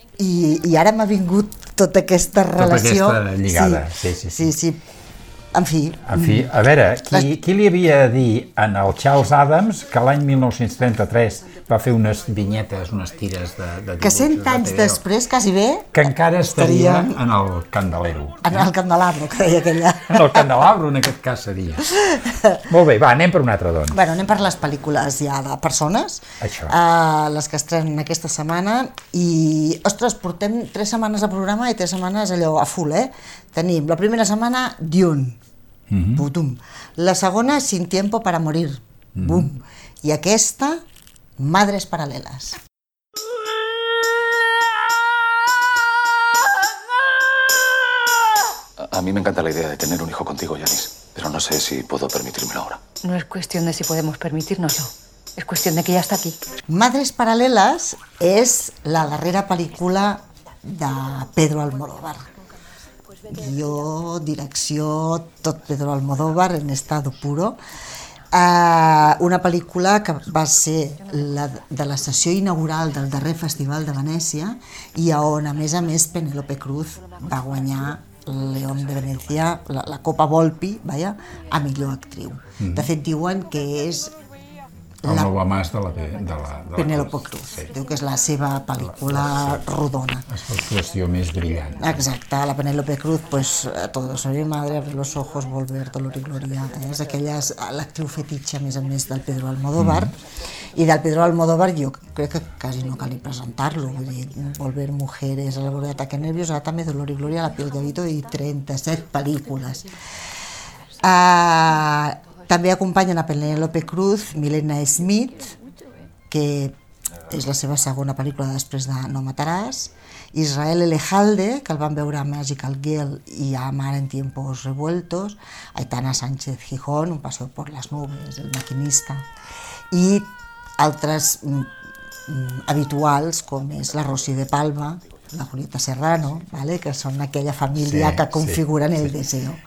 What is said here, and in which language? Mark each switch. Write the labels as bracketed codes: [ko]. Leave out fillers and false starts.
[ca] I ara m'ha vingut tota aquesta relació... Tota aquesta lligada, sí. En fi, a veure, qui li havia de dir en el Charles Adams que l'any 1933 va fer unes vinyetes, unes tires de que 100 anys de després, quasi bé, que encara estaria [es] en el candelero. En el candelabro, [ca] que deia aquella. [es] En el candelabro, [ca] en aquest cas, seria. Molt bé, va, anem per un altre, doncs. Bueno, anem per les pel·lícules ja de persones. Això. Les que estrenen aquesta setmana. I, ostres, portem 3 setmanes de programa i 3 setmanes allò a full, eh? Tenim la primera setmana, Dune. Mm-hmm. La segona, Sin tiempo para morir. Mm-hmm. Boom. I aquesta, Madres paralelas. [es] A mí me encanta la idea de tener un hijo contigo, Janice. Pero no sé si puedo permitírmelo ahora. No es cuestión de si podemos permitírnoslo. Es cuestión de que ya está aquí. [ca] Madres paralelas es la darrera película de Pedro Almodóvar. Guió, direcció, tot Pedro Almodóvar en estado puro. Una pel·lícula que va ser la de la sessió inaugural del darrer Festival de Venècia i on, a més, Penélope Cruz va guanyar León de Venècia, la Copa Volpi, vaya, a millor actriu. Mm-hmm. De fet, diuen que és... El nou amàs de la Penélope Cruz. Sí. Diu que és la seva pel·lícula rodona. És l'actuació més brillant. Exacte, la Penélope Cruz, pues, todo sobre madre, abrir los ojos, volver, dolor y gloria. És aquella, l'actriu fetitxa, a més, del Pedro Almodóvar. Mm-hmm. I del Pedro Almodóvar jo crec que quasi no cal presentar-lo. Vull dir, volver mujeres, a la borda d'ataque nervios, ara també dolor y gloria, la piel de Vito i 37 pel·lícules. També acompanyen a Penélope Cruz, Milena Smith, que és la seva segona pel·lícula després de No mataràs, Israel Elejalde, que el van veure a Magical Girl i a Mar en tiempos revueltos, Aitana Sánchez Gijón, Un paseo por las nubes, El maquinista, i altres habituals, com és la Rosy de Palma, la Julieta Serrano, ¿vale?, que són aquella família que configuren el deseo.